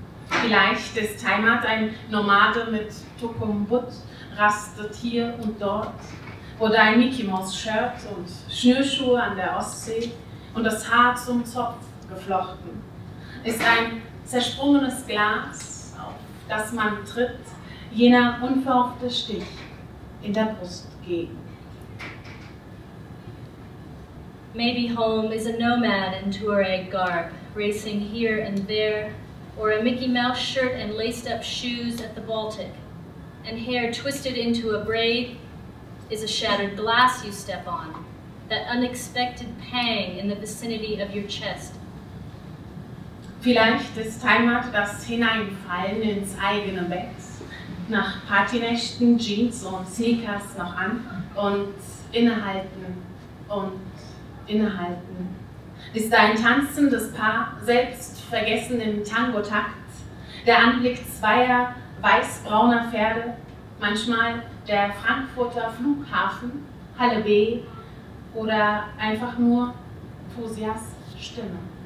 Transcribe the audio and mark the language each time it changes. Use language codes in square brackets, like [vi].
[de] Vielleicht ist Heimat ein Nomade mit Tukumbut, rastet hier und dort, oder ein Mickey Mouse Shirt und Schnürschuhe an der Ostsee und das Haar zum Zopf geflochten. Ist ein zersprungenes Glas, auf das man tritt, jener unverhoffte Stich in der Brust gegen. [en] Maybe home is a nomad in Touareg garb, racing here and there, or a Mickey Mouse shirt and laced up shoes at the Baltic, and hair twisted into a braid is a shattered glass you step on, that unexpected pang in the vicinity of your chest. [de] Vielleicht ist Heimat das Hineinfallen ins eigene Bett, nach Partynächten Jeans und Sneakers noch an und innehalten und innehalten. Ist ein tanzendes Paar selbst vergessen im Tango-Takt, der Anblick zweier weiß-brauner Pferde, manchmal der Frankfurter Flughafen, Halle B oder einfach nur Fusias Stimme.